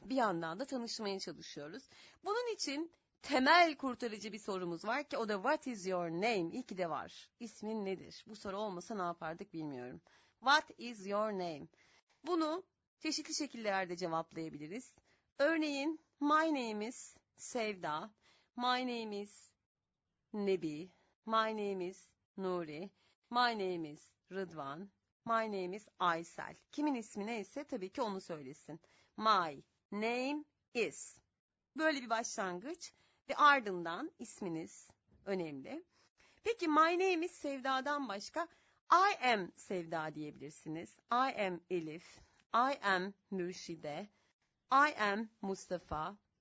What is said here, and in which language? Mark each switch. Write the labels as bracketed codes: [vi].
[tr] Bir yandan da tanışmaya çalışıyoruz. Bunun için temel kurtarıcı bir sorumuz var ki o da [en] what is your name? [tr] İyi ki de var. İsmin nedir? Bu soru olmasa ne yapardık bilmiyorum. [en] What is your name? [tr] Bunu çeşitli şekillerde cevaplayabiliriz. Örneğin [en] my name is Sevda, my name is Nebi, my name is Nuri, my name is Rıdvan, my name is Aysel. [tr] Kimin ismi neyse tabii ki onu söylesin. [en] My name is. [tr] Böyle bir başlangıç ve ardından isminiz önemli. Peki [en] my name is [tr] Sevda'dan başka [en] I am Sevda [tr] diyebilirsiniz. [en] I am Elif, I am Mürşide, I am Mustafa.